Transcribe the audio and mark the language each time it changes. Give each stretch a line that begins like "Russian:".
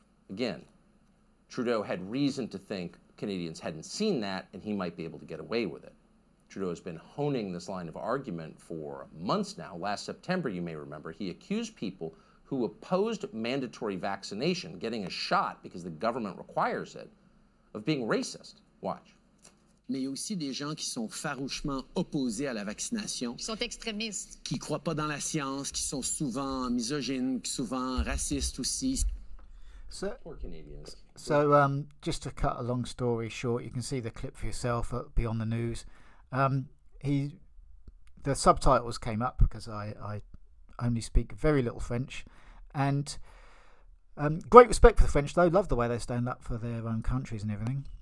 English: Again, Trudeau had reason to think Canadians hadn't seen that and he might be able to get away with it. Trudeau has been honing this line of argument for months now. Last September, you may remember, he accused people who opposed mandatory vaccination, getting a shot because the government requires it, of being racist. Watch.
French: Mais il y a aussi des gens qui sont farouchement opposés à la vaccination. Qui sont extrémistes. Qui ne croient pas dans la science, qui sont souvent misogynes, souvent racistes aussi.
English: So, poor Canadians. So, just to cut a long story short, you can see the clip for yourself at Beyond the News. The subtitles came up because I only speak very little French. And great respect for the French, though. Love the way they stand up for their own countries and everything.